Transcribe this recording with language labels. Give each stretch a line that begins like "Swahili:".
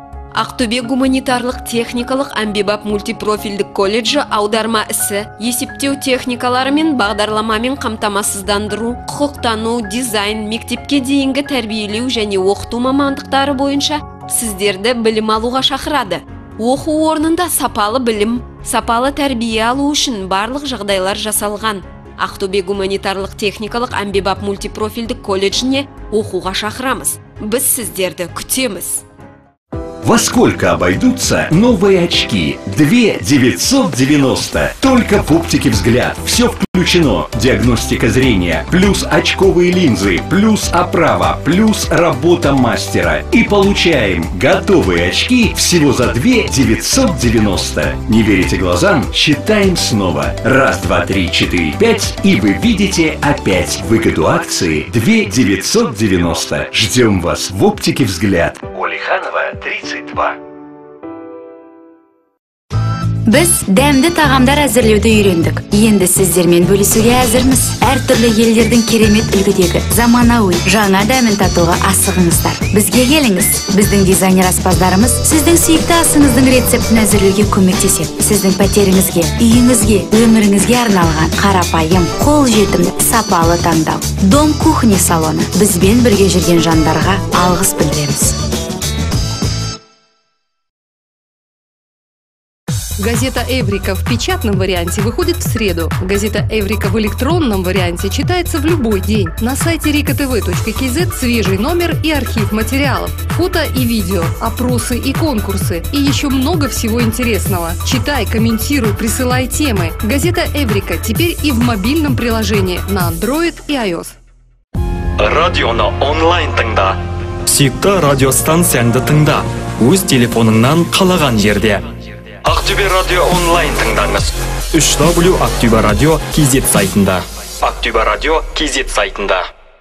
Kazakh: Ақтөбе гуманитарлық техникалық әмбебап мультипрофильдік колледжі аударма ісі, есептеу техникалары мен бағдарламамен қамтамасыздандыру, құқықтану, дизайн, мектепке дейінгі тәрбиелеу және оқыту мамандықтары бойынша сіздерді білім алуға шақырады. Оқу орнында сапалы білім, сапалы тәрбие алу үшін барлық жағдайлар жасалған. Ақтөбе гуманитарлық техникалық әмбебап мультипрофильдік колледжіне оқуға шақырамыз. Біз сіздерді күтеміз.
Russian: Во сколько обойдутся новые очки? 2 990. Только в оптике «Взгляд». Все включено. Диагностика зрения, плюс очковые линзы, плюс оправа, плюс работа мастера. И получаем готовые очки всего за 2 990. Не верите глазам? Считаем снова. 1, 2, 3, 4, 5. И вы видите опять выгоду акции 2 990. Ждем вас в оптике «Взгляд». Олиханова, 32.
Kazakh: Біз дәмді тағамдар әзірлеуді үйрендік. Енді сіздермен бөлісуге әзірміз. Әр түрлі елдердің керемет үлгідегі заманауи жаңа дәмін татуға асығыңыздар. Бізге келіңіз. Біздің дизайнер аспаздарымыз сіздің сүйікті асыңыздың рецептін әзірлеуге көмектеседі. Сіздің пәтеріңізге, үйіңізге, өміріңізге арналған қарапайым, қол жетімді, сапалы таңдау. Дом кухни салоны. Бізбен бірге жүрген жандарға алғыс білдіреміз.
Russian: Газета «Эврика» в печатном варианте выходит в среду. Газета «Эврика» в электронном варианте читается в любой день. На сайте rikatv.kz свежий номер и архив материалов, фото и видео, опросы и конкурсы и еще много всего интересного. Читай, комментируй, присылай темы. Газета «Эврика» теперь и в мобильном приложении на Android и iOS.
Kazakh: Радио на онлайн тыңда.
Russian: Всегда
Kazakh: радиостанцияңды тыңда. Өз телефоныңнан қалаған жерде. Ақтөбе радио онлайн тыңдаңыз. www.aktyubaradio.kz сайтында. Ақтөбе радио.kz сайтында.